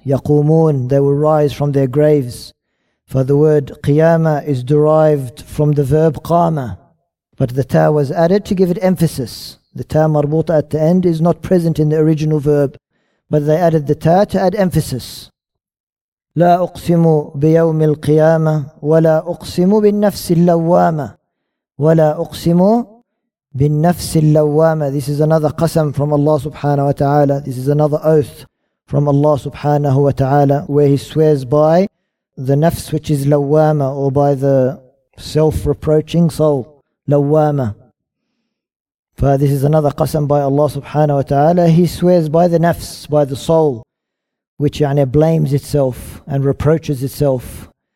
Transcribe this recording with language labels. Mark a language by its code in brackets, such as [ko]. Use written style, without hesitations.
[en] يَقُومُونَ They will rise from their graves. For the word qiyamah is derived from the verb qama. But the ta was added to give it emphasis. The ta marbuta at the end is not present in the original verb. But they added the ta to add emphasis. [ar] لا أقسم بيوم القيامة ولا أقسم بالنفس اللوامة ولا أقسم بالنفس اللوامة [en] This is another qasam from Allah subhanahu wa ta'ala. This is another oath from Allah subhanahu wa ta'ala where he swears by the nafs which is lawama or by the self-reproaching soul, lawama. For this is another qasam by Allah subhanahu wa ta'ala. He swears by the nafs, by the soul, which يعني, blames itself and reproaches itself.